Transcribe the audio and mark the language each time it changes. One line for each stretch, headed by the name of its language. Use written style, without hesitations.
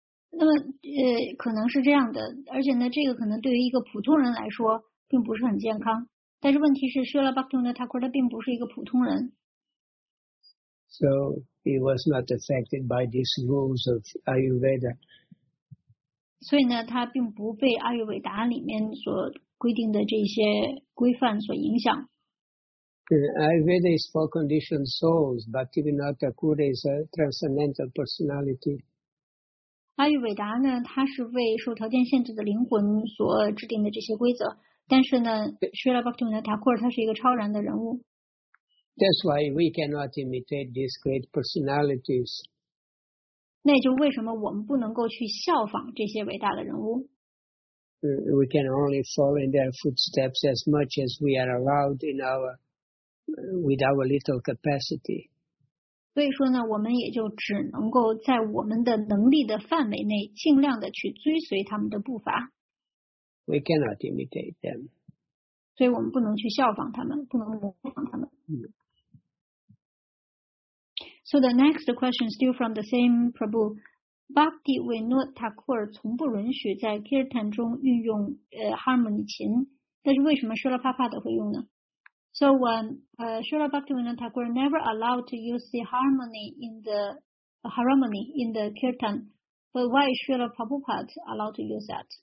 Chinese: 那么可能是这样的，而且呢这个可能对于一个普通人来说并不是很健康，但是问题是Srila Bhaktivinoda Thakur他并不是一个普通人。
English: So he was not affected by these rules of Ayurveda.
Chinese: 所以呢他并不被阿育韦达里面所规定的这些规范所影响。
English: Ayurveda is for conditioned souls, Bhaktivinoda Thakur is a transcendental personality.
Chinese: 阿育韦达呢，他是为受条件限制的灵魂所制定的这些规则，但是呢 ，Srila Bhaktivinoda Thakur 他是一个超然的人物。
English: That's why we cannot imitate these great personalities.
Chinese: 那就为什么我们不能够去效仿这些伟大的人物
English: ？We can only follow in their footsteps as much as we are allowed in our with our little capacity.
Chinese: 所以说呢我们也就只能够在我们的能力的范围内尽量的去追随他们的步伐。
English: We cannot imitate them.
Chinese: 所以我们不能去效仿他们，不能模仿他们。
English: So the next question still from the same Prabhu.
Chinese: Bhakti Vinod Thakur 从不允许在 Kirtan 中运用harmony 琴，但是为什么Srila Prabhupada会用呢？
English: So when Srila Bhaktivinoda Thakur never allowed to use the harmony in the kirtan, but why is Srila Prabhupada allowed to use that?